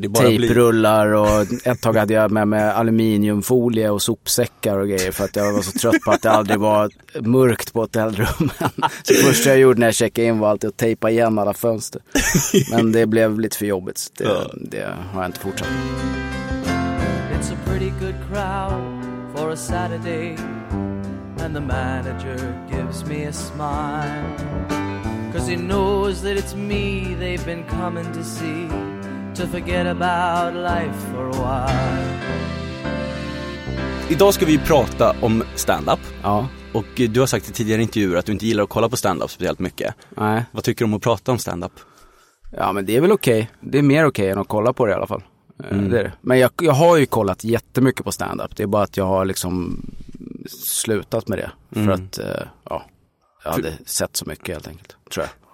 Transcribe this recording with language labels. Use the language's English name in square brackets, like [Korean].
[Swedish] Tejprullar och ett tag hade jag med aluminiumfolie och sopsäckar och grejer. För att jag var så trött på att det aldrig var mörkt på hotellrummen. Så det första jag gjorde när jag checkade in var alltid att tejpa igen alla fönster. Men det blev lite för jobbigt. Det har jag inte fortsatt. [English] It's a pretty good crowd for a Saturday, and the manager gives me a smile, 'cause he knows that it's me they've been coming to see, to forget about life for a while. [Swedish] Idag ska vi prata om stand-up. Ja. Och du har sagt i tidigare intervjuer att du inte gillar att kolla på stand-up speciellt mycket. Nej. Vad tycker du om att prata om stand-up? Ja, men det är väl okej. Okay. Det är mer okej okay än att kolla på det i alla fall. Mm. Det är det. Men jag har ju kollat jättemycket på stand-up. Det är bara att jag har liksom slutat med det. För att jag hade sett så mycket helt enkelt, tror jag.